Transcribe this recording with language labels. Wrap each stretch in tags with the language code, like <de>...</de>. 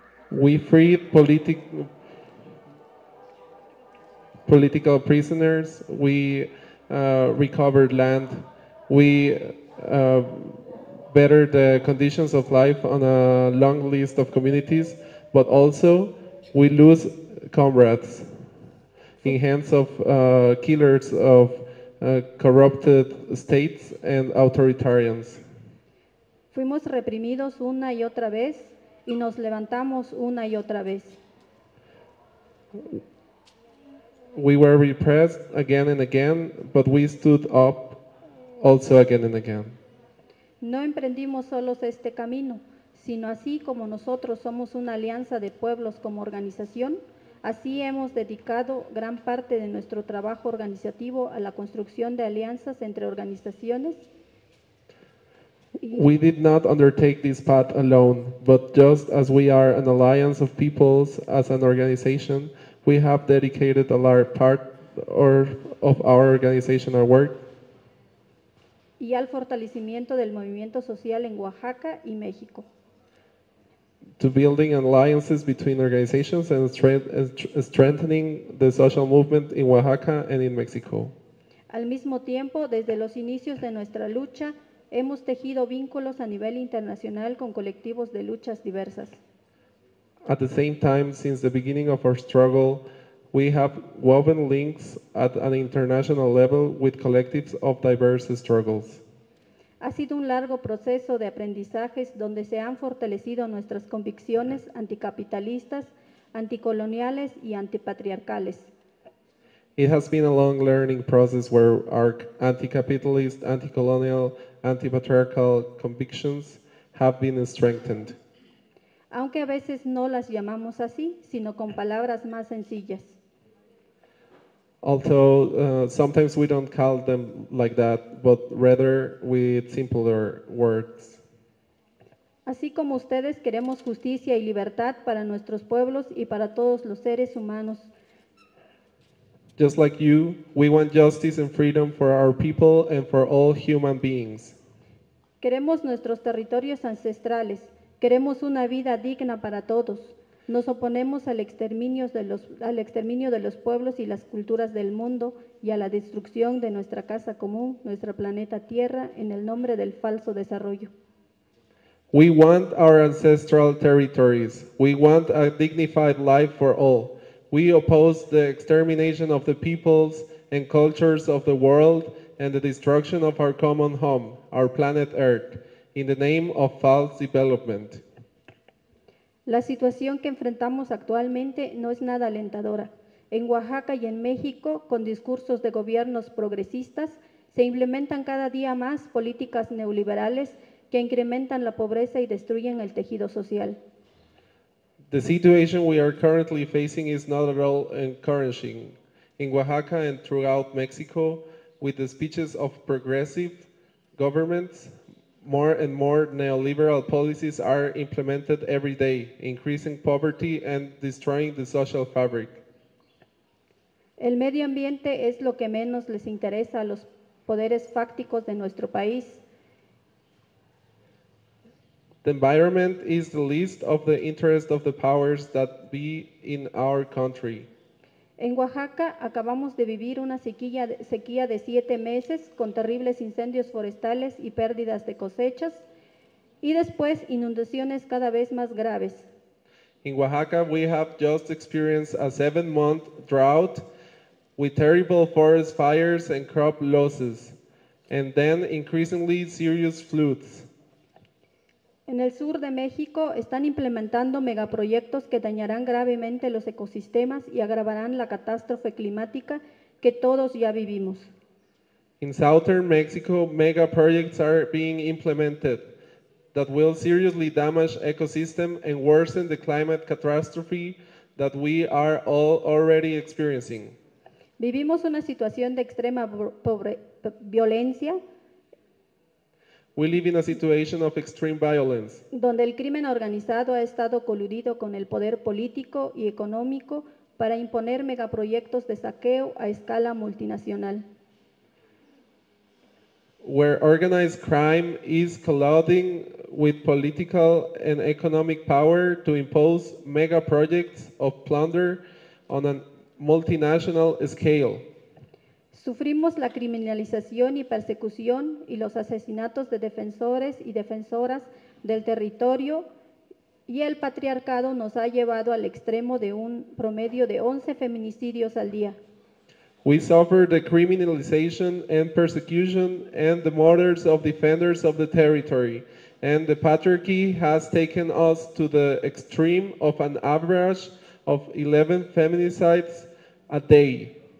<en>We freed political prisoners, we recovered land, we bettered the conditions of life on a long list of communities, but also we lose comrades in hands of killers of corrupted states and authoritarians.</en> <es>Fuimos reprimidos una y otra vez y nos levantamos una y otra vez.</es> <en>We were repressed again and again, but we stood up also again and again.</en> <es>No emprendimos solos este camino, sino así como nosotros somos una alianza de pueblos como organización, así hemos dedicado gran parte de nuestro trabajo organizativo a la construcción de alianzas entre organizaciones.</es> <en>We did not undertake this path alone, but just as we are an alliance of peoples as an organization, we have dedicated a large part of our organization, our work.</en> <es>y al fortalecimiento del movimiento social en Oaxaca y México.</es> <en>To building alliances between organizations and strengthening the social movement in Oaxaca and in Mexico.</en> <es>Al mismo tiempo, desde los inicios de nuestra lucha, hemos tejido vínculos a nivel internacional con colectivos de luchas diversas.</es> <en>At the same time, since the beginning of our struggle, we have woven links at an international level with collectives of diverse struggles.</en> <es>Ha sido un largo proceso de aprendizajes donde se han fortalecido nuestras convicciones anticapitalistas, anticoloniales y antipatriarcales.</es> <en>It has been a long learning process where our anti-capitalist, anti-colonial, anti-patriarchal convictions have been strengthened.</en> <es>Aunque a veces no las llamamos así, sino con palabras más sencillas.</es> <en>Although sometimes we don't call them like that, but rather with simpler words.</en> <es>Así como ustedes queremos justicia y libertad para nuestros pueblos y para todos los seres humanos.</es> <en>Just like you, we want justice and freedom for our people and for all human beings.</en> <es>Queremos nuestros territorios ancestrales. Queremos una vida digna para todos. Nos oponemos al exterminio de los pueblos y las culturas del mundo y a la destrucción de nuestra casa común, nuestro planeta Tierra, en el nombre del falso desarrollo.</es> <en>We want our ancestral territories. We want a dignified life for all. We oppose the extermination of the peoples and cultures of the world and the destruction of our common home, our planet Earth, in the name of false development.</en> <es>La situación que enfrentamos actualmente no es nada alentadora. En Oaxaca y en México, con discursos de gobiernos progresistas, se implementan cada día más políticas neoliberales que incrementan la pobreza y destruyen el tejido social.</es> <en>The situation we are currently facing is not at all encouraging. In Oaxaca and throughout Mexico, with the speeches of progressive governments, more and more neoliberal policies are implemented every day, increasing poverty and destroying the social fabric.</en> <es>El medio ambiente es lo que menos les interesa a los poderes fácticos de nuestro país.</es> <en>The environment is the least of the interest of the powers that be in our country.</en> <es>En Oaxaca acabamos de vivir una sequía de 7 meses con terribles incendios forestales y pérdidas de cosechas y después inundaciones cada vez más graves.</es> <en>In Oaxaca we have just experienced a 7-month drought with terrible forest fires and crop losses and then increasingly serious floods.</en> <es>En el sur de México están implementando megaproyectos que dañarán gravemente los ecosistemas y agravarán la catástrofe climática que todos ya vivimos.</es> <en>In southern Mexico, mega projects are being implemented that will seriously damage ecosystem and worsen the climate catastrophe that we are all already experiencing.</en> <es>Vivimos una situación de extrema violencia.</es> <en>We live in a situation of extreme violence.</en> <es>Donde el crimen organizado ha estado coludido con el poder político y económico para imponer megaproyectos de saqueo a escala multinacional.</es> <en>Where organized crime is colluding with political and economic power to impose mega projects of plunder on a multinational scale.</en> <es>Sufrimos la criminalización y persecución y los asesinatos de defensores y defensoras del territorio y el patriarcado nos ha llevado al extremo de un promedio de 11 feminicidios al día.</es> <en>We suffer the criminalization and persecution and the murders of defenders of the territory and the patriarchy has taken us to the extreme of an average of 11 feminicides a day.</en>